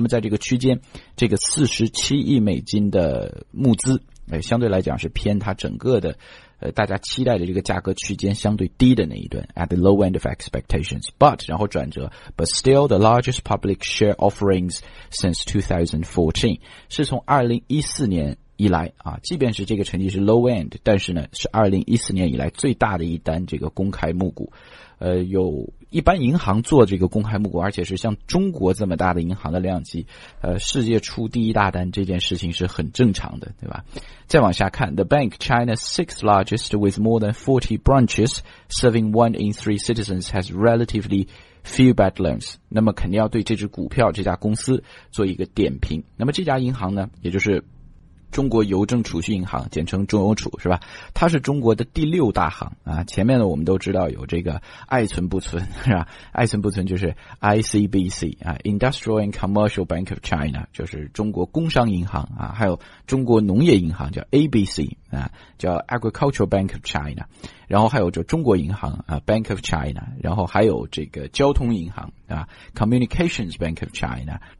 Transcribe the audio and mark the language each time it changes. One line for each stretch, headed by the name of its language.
Chinese: 那么在这个区间这个47亿美金的募资相对来讲是偏它整个的大家期待的这个价格区间相对低的那一段 ,
English: at the low end of expectations, but,
Chinese: 然后转折 ,
English: but still the largest public share offerings since 2014,
Chinese: 是从2014年以来啊，即便是这个成绩是
English: low end,
Chinese: 但是呢是2014年以来最大的一单这个公开募股。有一般银行做这个公开募股，而且是像中国这么大的银行的量级，世界出第一大单，这件事情是很正常的，对吧？再往下看
English: ,The bank, China's sixth largest with more than 40 branches, serving one in three citizens, has relatively few bad loans.
Chinese: 那么肯定要对这只股票这家公司做一个点评。那么这家银行呢，也就是中国邮政储蓄银行，简称中邮储，是吧？它是中国的第六大行啊。前面呢，我们都知道有这个爱存不存，是吧？爱存不存就是 ICBC 啊 ，Industrial and Commercial Bank of China, 就是中国工商银行啊，还有中国农业银行叫 ABC 啊，叫 Agricultural Bank of China, 然后还有就中国银行啊 ，Bank of China, 然后还有这个交通银行啊 ，Communications Bank of China。